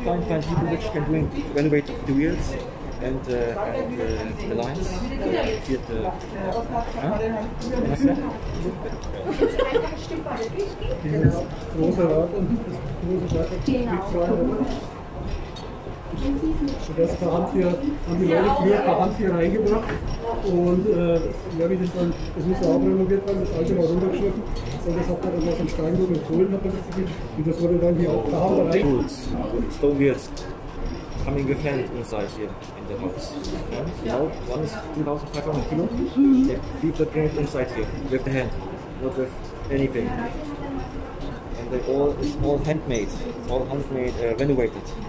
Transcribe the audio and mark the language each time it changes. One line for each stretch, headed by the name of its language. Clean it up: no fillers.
English: Find people which can renovate the wheels and the lines.
German: Das per Hand hier haben die Leute früher per Hand hier reingebracht und das muss auch renoviert werden, das alte war runtergeschliffen und das hat man dann aus dem Steinboden und Kohlen gegeben und das wurde dann hier auch per Hand rein.
English: Tools, Stone Wheels, coming with hand inside here in the box. Now, one is 2500 Kilo, people bring it inside here with the hand, not with anything. And they all, it's all handmade, renovated.